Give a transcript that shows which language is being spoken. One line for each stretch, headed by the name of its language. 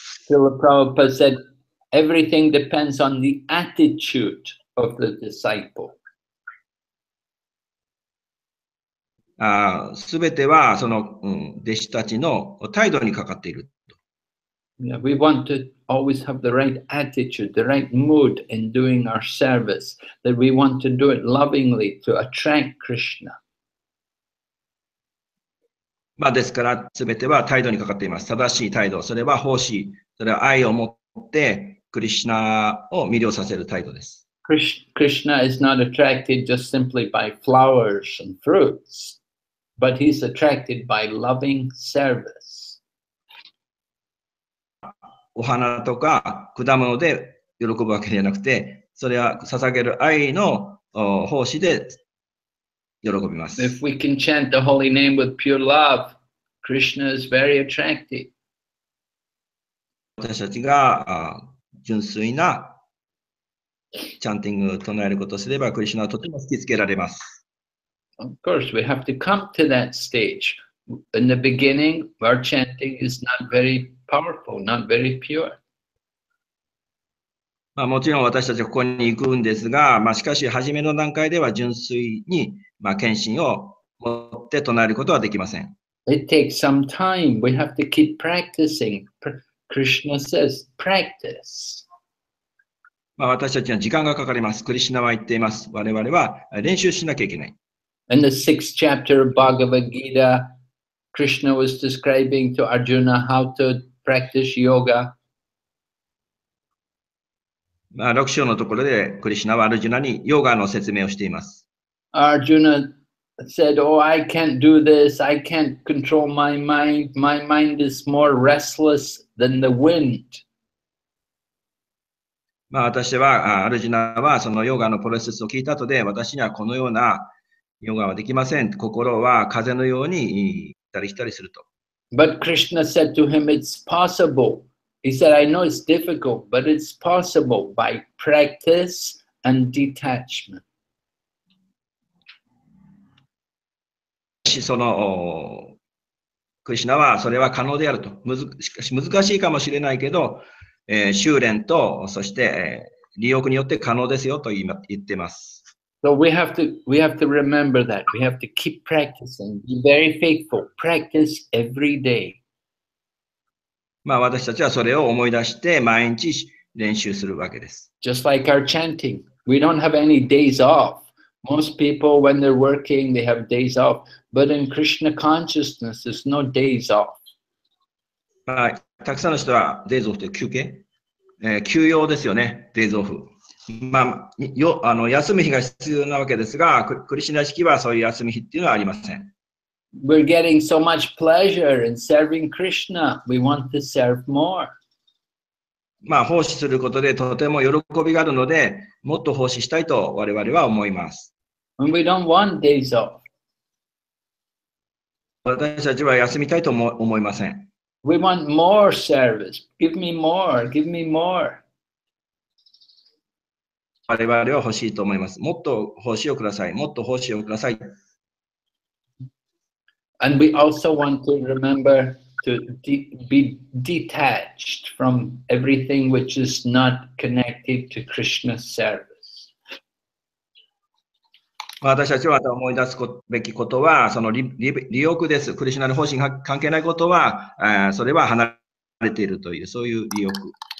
English: Srila Prabhupada said,Everything depends on the attitude of the disciple.
Japanese: すべてはその、弟子たちの態度にかかっている。
English: Yeah, we want to always have the right attitude, the right mood in doing our service, that we want to do it lovingly to attract Krishna.
Japanese: まあ、ですから全ては態度にかかっています。正しい態度、それは奉仕、それは愛を持ってクリシュナを魅了させる態度です。
English: Krishna is not attracted just simply by flowers and fruits, but he's attracted by loving service.
Japanese: お花とか果物で喜ぶわけではなくて、それは捧げる愛の奉仕で喜びます。
English: If we can chant the holy name with pure love, Krishna is very attractive.
Japanese: 私たちが純粋なチャンティングを唱えることをすれば、クリシナはとても引きつけられます。
English: Of course, we have to come to that stage. In the beginning, our chanting is not very powerful, not very pure.
Japanese: まあ、もちろん私たちはここに行くんですが、まあ、しかし初めの段階では純粋に、まあ、献身を持って唱えることはできません。
English: It takes some time. We have to keep practicing. Krishna says, practice.
Japanese: まあ、私たちは時間がかかります。クリシナは言っています。我々は練習しなきゃいけない。
English: In the sixth chapter of Bhagavad Gita, Krishna was describing to Arjuna how to practice yoga.
Japanese: まあ、6章のところでクリシナはアルジュナにヨガの説明をしています。
English: Arjuna said, Oh, I can't do this. I can't control my mind. My mind is more restless than the wind.
Japanese: まあ、私はアルジュナはそのヨガのプロセスを聞いた後で、私にはこのようなヨガはできません、心は風のように行ったり来たりすると。
English: But Krishna said to him, it's possible. He said, I know it's difficult, but it's possible by practice and detachment.
Japanese: そのクリシナはそれは可能であると、しかし難しいかもしれないけど、修練とそして、利欲によって可能ですよと言っています。
English: So we have to remember that. We have to keep practicing. Be very faithful. Practice every day.
Japanese: まあ、私たちはそれを思い出して毎日練習するわけです。
English: Just like our chanting. We don't have any days off. Most people, when they're working, they have days off. But in Krishna consciousness, there's no days off.
Japanese: はい。たくさんの人はデイズオフという休憩、休養ですよね、デイズオフ。まあ、休む日が必要なわけですが、クリシナ式はそういう休む日っていうのはありません。
English: We're getting so much pleasure in serving Krishna. We want to serve more.
Japanese: まあ、奉仕することでとても喜びがあるので、もっと奉仕したいと我々は思います。
English: And we don't want days off.
Japanese: 私たちは休みたいと思いません。
English: We want more service. Give me more. Give me more.
Japanese: 我々は欲しいと思います。もっと欲しいをください。もっと欲しいをください。
English: And we also want to remember to be detached from everything which is not connected to Krishna's service.
Japanese: 私たちは思い出すべきことは、その利欲です。クリシュナの方針が関係ないことは、それは離れているという、そういう利欲。